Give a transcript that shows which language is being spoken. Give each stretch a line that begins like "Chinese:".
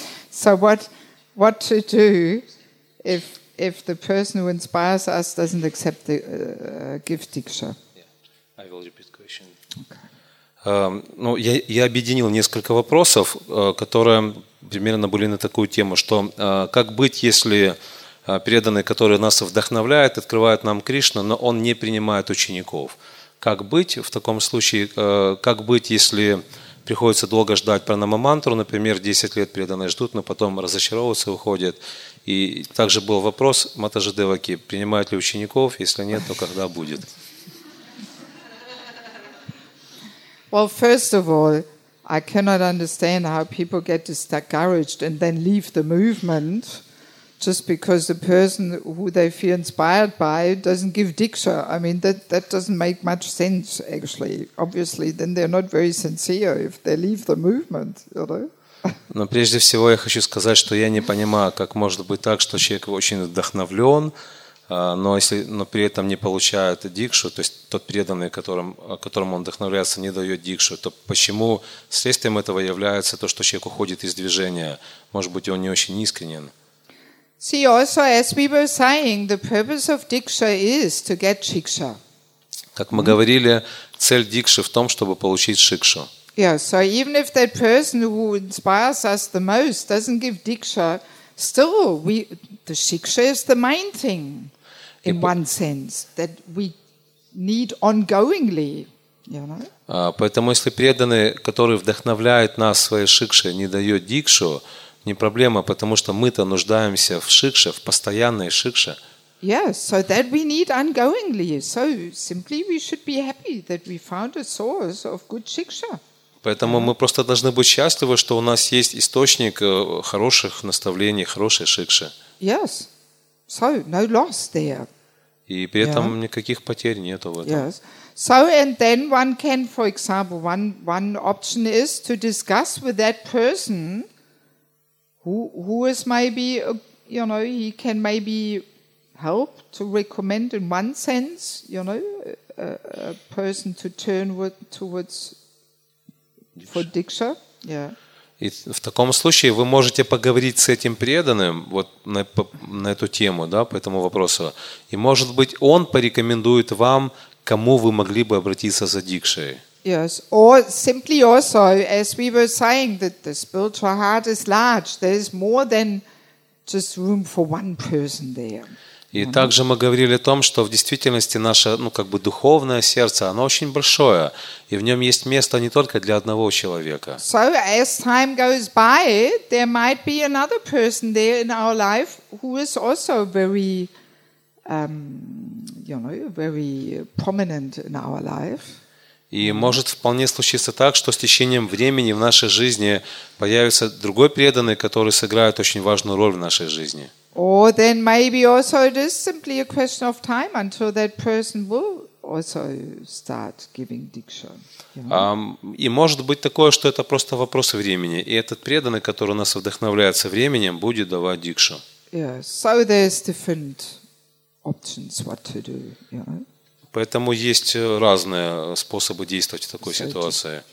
English: So what to do if the person who inspires us doesn't accept the gift diksha. Yeah. I will repeat the question. Okay.
Russian: Я объединил несколько вопросов, которые примерно были на такую тему, что как быть, если преданный, который нас вдохновляет, открывает нам Кришну, но он не принимает учеников? Как быть в таком случае, как быть, если приходится долго ждать пранамамантру, например, 10 лет преданные ждут, но потом разочаровываются и уходят. И также был вопрос Матаджи Деваки, принимают ли учеников, если нет, то когда будет?
English: Well, first of all, I cannot understand how people get discouraged and then leave the movement just because the person who they feel inspired by doesn't give diksha. I mean, that doesn't make much sense, actually. Obviously, then they're not very sincere if they leave the movement, you know?
Russian: Но прежде всего я хочу сказать, что я не понимаю, как может быть так, что человек очень вдохновлен, но при этом не получает дикшу, то есть тот преданный, которым он вдохновляется, не дает дикшу, то почему следствием этого является то, что человек уходит из движения? Может быть, он не очень искренен.
English: See, also, as we were saying, the purpose of diksha is to get shiksha.
Russian: Как мы говорили, цель дикши в том, чтобы получить шикшу.
English: Yeah, so even if that person who inspires us the most doesn't give diksha, still the shiksha is the main thing in one sense that we need ongoingly, you know?
Russian: Поэтому если преданный, который вдохновляет нас своей шикшей, не дает дикшу, не проблема, потому что мы-то нуждаемся в шикше, в постоянной шикше.
English: Yeah, so that we need ongoingly. So simply we should be happy that we found a source of good shiksha.
Russian: Поэтому мы просто должны быть счастливы, что у нас есть источник хороших наставлений, хорошей шикши.
English: Yes. So, no loss there.
Russian: И при этом никаких потерь нет в этом.
English: Yes. So, and then one can, for example, one option is to discuss with that person who is maybe, you know, he can maybe help to recommend in one sense, you know, a person to turn towards for diksha, yeah.
Russian: И в таком случае вы можете поговорить с этим преданным вот на эту тему, да, по этому вопросу. И может быть, он порекомендует вам, кому вы могли бы обратиться за дикшей.
English: Yes, or simply also, as we were saying, that the spiritual heart is large. There's more than just room for one person there.
Russian: И также мы говорили о том, что в действительности наше, ну, как бы духовное сердце, оно очень большое, и в нем есть место не только для одного человека.
English: So as time goes by, there might be another person there in our life who is also very, you know, very prominent in our life.
Russian: И может вполне случиться так, что с течением времени в нашей жизни появится другой преданный, который сыграет очень важную роль в нашей жизни.
English: Or then maybe also it is simply a question of time until that person will also start giving diksha.
Russian: И может быть такое, что это просто вопрос времени, и этот преданный, который нас вдохновляет со временем, будет давать дикшу.
English: Yes. So there's different options what to do.
Russian: Поэтому есть разные способы действовать в такой ситуации.